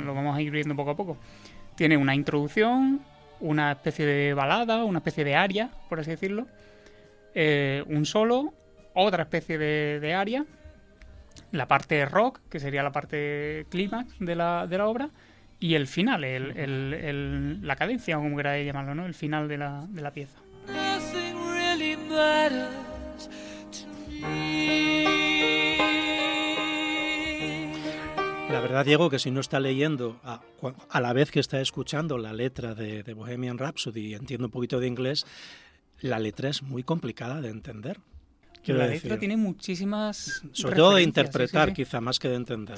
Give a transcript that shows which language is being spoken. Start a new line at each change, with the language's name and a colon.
Spanish: Lo vamos a ir viendo poco a poco. Tiene una introducción, una especie de balada, una especie de aria, por así decirlo. Un solo, otra especie de aria. La parte rock, que sería la parte clímax de la obra. Y el final, la cadencia, como queráis llamarlo, ¿no? El final de la pieza.
English: Nothing really matters to me.
Spanish: La verdad, Diego, que si no está leyendo a la vez que está escuchando la letra de Bohemian Rhapsody y entiendo un poquito de inglés, la letra es muy complicada de entender. La letra tiene muchísimas... Sobre todo de interpretar, quizá, más que de entender.